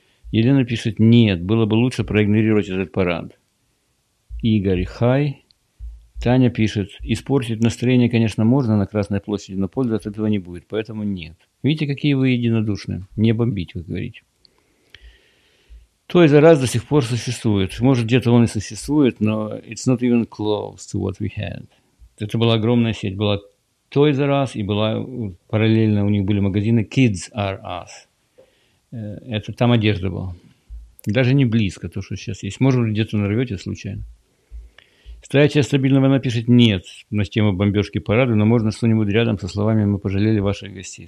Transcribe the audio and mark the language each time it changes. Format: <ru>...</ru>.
<ru>Елена пишет, нет, было бы лучше проигнорировать этот парад. Игорь, хай. Таня пишет, испортить настроение, конечно, можно на Красной площади, но пользы от этого не будет, поэтому нет. Видите, какие вы единодушные. Не бомбить, вы говорите. Той зараз до сих пор существует. Может, где-то он и существует, но</ru> <en>it's not even close to what we had.</en> <ru>Это была огромная сеть. Была Той зараз и была параллельно у них были магазины Kids R Us. Это там одежда была. Даже не близко то, что сейчас есть. Может, вы где-то нарвете случайно. Стоячая стабильная война пишет нет на тему бомбежки парада, но можно что-нибудь рядом со словами «Мы пожалели ваших гостей».</ru>